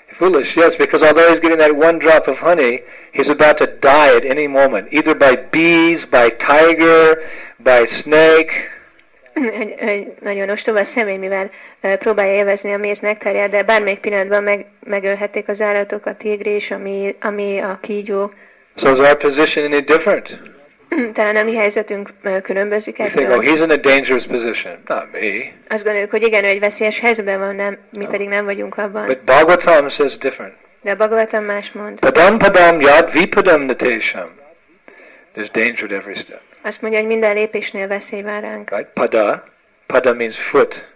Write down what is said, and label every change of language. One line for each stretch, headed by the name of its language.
English: Foolish, yes, because although he's getting that one drop of honey, he's about to die at any moment, either by bees, by tiger, by snake.
Hungarian: Nagyon ostoba személy, mivel próbálja élvezni a méz nektárját, de bármelyik pillanatban megölhették az állatok, a tigris, ami a kígyó.
English: So is our position any different?
Hungarian: Talán a mi helyzetünk különbözik ettől.
English: You think, oh, he's in a dangerous position, not me.
Hungarian: Azt gondoljuk, hogy igen, ő egy veszélyes helyzetben van, nem, mi pedig nem vagyunk abban.
English: But Bhagavatam says different.
Hungarian: De a Bhagavatam más mond.
Sanskrit: Padam padam yad vipadam natesham.
English: There's danger at every step.
Hungarian: Azt mondja, hogy minden lépésnél veszély vár ránk.
English: Right? Pada. Pada means foot.